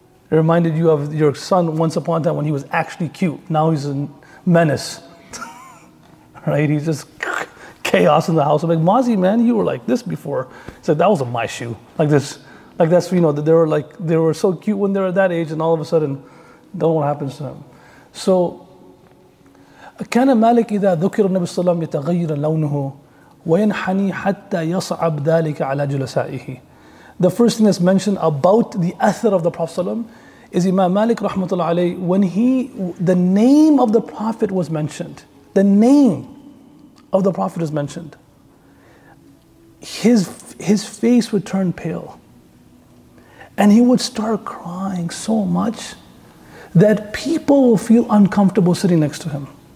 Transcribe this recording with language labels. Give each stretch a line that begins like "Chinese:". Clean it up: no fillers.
English: It reminded you of your son once upon a time when he was actually cute. Now he's a menace, right? He's just chaos in the house. I'm like, Mazi, man, you were like this before. He said, that was my shoe. Like this, like that's, you know, they were so cute when they were that age, and all of a sudden, don't know what happens to them. So,
Arabic: كان مالك إذا ذكر النبي صلى الله عليه وسلم يتغير لونه وينحني حتى يصعب ذلك على جلسائه.
English: The first thing that's mentioned about the athar of the Prophet
Arabic: صلى الله عليه وسلم
English: is Imam Malik rahmatullah alayhi, the name of the Prophet was mentioned. The name of the Prophet is mentioned, his face would turn pale, and he would start crying so much that people will feel uncomfortable sitting next to him.